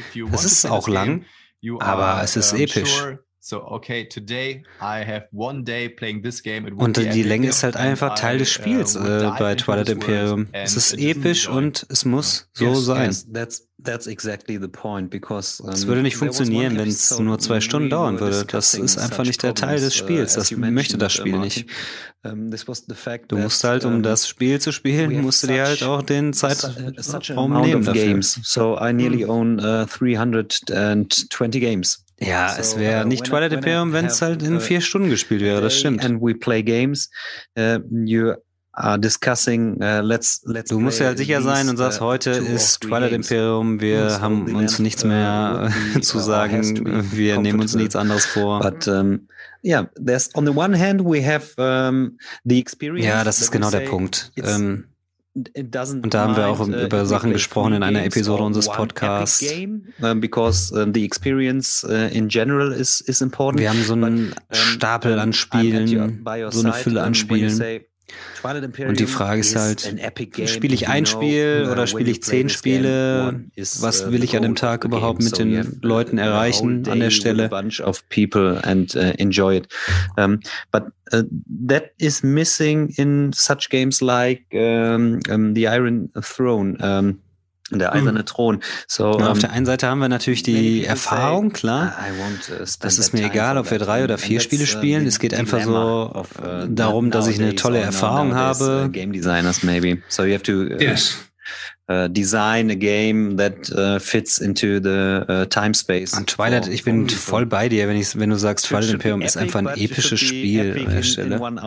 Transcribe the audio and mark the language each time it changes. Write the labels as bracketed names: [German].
[German] Das ist auch lang, aber es ist episch. [English] So, okay, today I have one day playing this game. [German] Und die Länge ist halt einfach Teil des Spiels bei Twilight Imperium. Es ist episch und es muss so sein. [English] That's exactly the point, because [German] es würde nicht funktionieren, wenn es nur 2 Stunden dauern würde. Das ist einfach nicht der Teil des Spiels. Das möchte das Spiel nicht. Du musst halt, um das Spiel zu spielen, musst du dir halt auch den Zeitraum nehmen dafür. [English] Games. So I nearly own 320 games. [German] Ja, es wäre nicht Twilight Imperium, wenn es halt in 4 Stunden gespielt wäre, das stimmt. [English] And we play games, you are discussing, let's [German] du musst ja halt sicher sein und sagst, heute ist Twilight Imperium, wir haben uns nichts mehr zu sagen, wir nehmen uns nichts anderes vor. [English] But, there's on the one hand we have the experience. [German] Ja, das ist genau der Punkt. Und da haben wir auch über Sachen gesprochen in einer Episode unseres Podcasts. [English] Because the experience in general is important. [German] Wir haben so einen Stapel an Spielen, so eine Fülle an Spielen. Und die Frage ist halt, spiele ich ein Spiel oder spiele ich 10 Spiele? Was will ich an dem Tag überhaupt mit den Leuten erreichen an der Stelle? [English] Bunch of people and enjoy it. But that is missing in such games like the Iron Throne. [German] Der eiserne Thron. So, auf der einen Seite haben wir natürlich die Erfahrung, klar. Das ist mir egal, ob wir 3 oder 4 Spiele spielen. Es geht einfach so darum, dass ich eine tolle Erfahrung habe. [English] Game designers maybe. So you have to design a game that fits into the time space. [German] Und Twilight, ich bin voll bei dir, wenn du sagst, Twilight Imperium ist einfach ein episches Spiel an der Stelle.